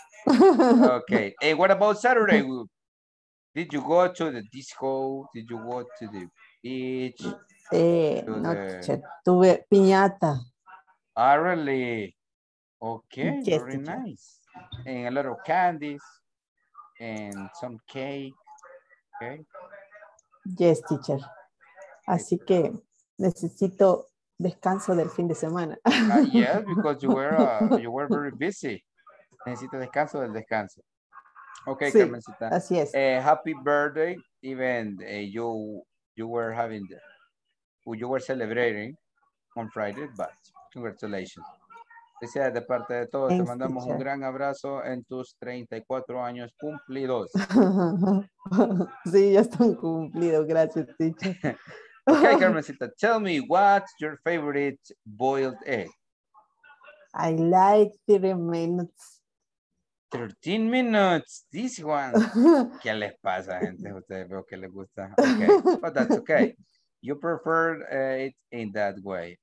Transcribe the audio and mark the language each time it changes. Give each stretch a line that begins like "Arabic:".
English: Okay. Hey, what about Saturday? Did you go to the disco? Did you go to the beach?
Spanish: Tuve piñata.
English: Ah, really? Okay, yes, very nice. And a lot of candies and some cake. Okay. Yes, teacher.
Spanish: Así que necesito descanso del fin de semana.
English: Yes, because you were very busy.
Spanish: Necesito descanso del descanso.
English: Okay, sí, Carmencita.
Spanish: Así es.
English: Happy birthday. Even you were celebrating on Friday, but congratulations.
Spanish: Decía de parte de todos, thanks, te mandamos teacher un gran abrazo en tus 34 años cumplidos. Sí, ya están cumplidos, gracias, teacher.
English: Okay, Carmencita, tell me, what's your favorite boiled egg? I like 13 minutes. 13 minutes, this one.
Spanish: ¿Qué les pasa, gente? Ustedes veo que les gusta.
English: Okay, but that's okay. You prefer it in that way.